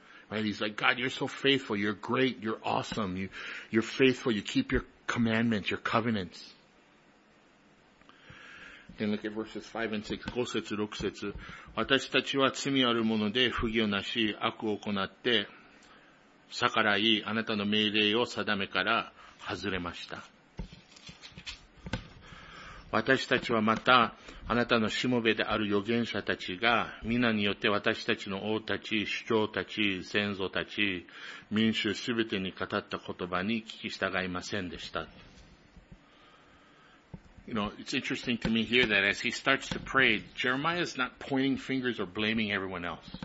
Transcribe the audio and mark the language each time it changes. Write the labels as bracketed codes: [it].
[en] Right? He's like, God, you're so faithful, you're great, you're awesome, you're faithful, you keep your commandments, your covenants. Then look at verses 5 and 6, [ja] 5節6節。私たちは罪あるもので不義をなし悪を行って逆らいあなたの命令を定めから外れました。私たちはまたあなたのしもべである預言者たちが皆によって私たちの王たち、首長たち、先祖たち、民衆すべてに語った言葉に聞き従いませんでした。 [en] You know, it's interesting to me here that as he starts to pray, Jeremiah is not pointing fingers or blaming everyone else.